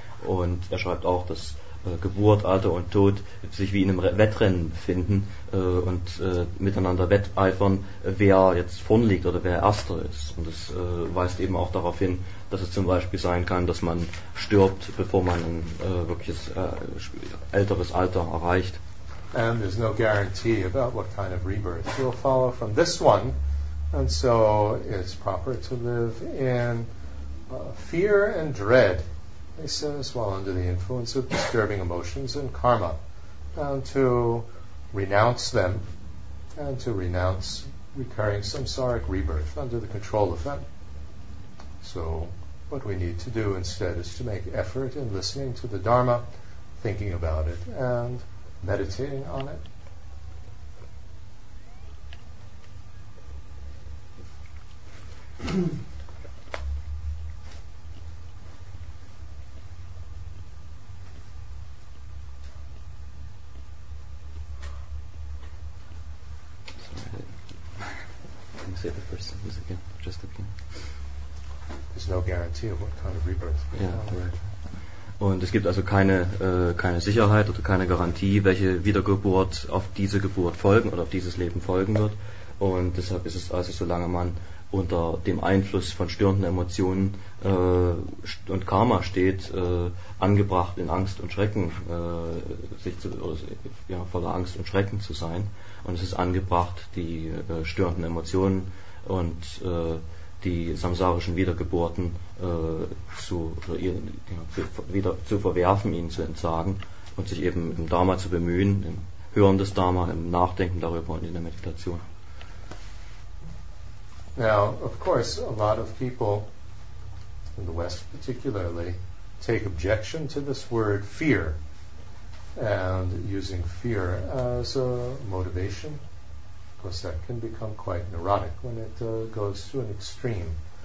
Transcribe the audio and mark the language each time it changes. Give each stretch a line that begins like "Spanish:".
German: Und er schreibt auch, dass Geburt, Alter und Tod sich wie in einem Wettrennen befinden und miteinander wetteifern, wer jetzt vorn liegt oder wer Erster ist. Und das weist eben auch darauf hin, dass es zum Beispiel sein kann, dass man stirbt, bevor man ein wirkliches älteres Alter erreicht.
English: And there's no guarantee about what kind of rebirth will follow from this one. And so it's proper to live in fear and dread, he says, while under the influence of disturbing emotions and karma, and to renounce them, and to renounce recurring samsaric rebirth under the control of them. So what we need to do instead is to make effort in listening to the Dharma, thinking about it, and meditating on it. Say the first sentence again, just again. There's no guarantee of what kind of rebirth.
German: Und es gibt also keine Sicherheit oder keine Garantie, welche Wiedergeburt auf diese Geburt folgen oder auf dieses Leben folgen wird. Und deshalb ist es also, solange man unter dem Einfluss von störenden Emotionen und Karma steht, angebracht in Angst und Schrecken, voller Angst und Schrecken zu sein. Und es ist angebracht, die störenden Emotionen und die samsarischen Wiedergeburten zu verwerfen, ihnen zu entsagen und sich eben im Dharma zu bemühen, im Hören des Dharma, im Nachdenken darüber und in der Meditation.
English: Now, of course, a lot of people, in the West particularly, take objection to this word fear, and using fear as a motivation, because that can become quite neurotic when it goes to an extreme.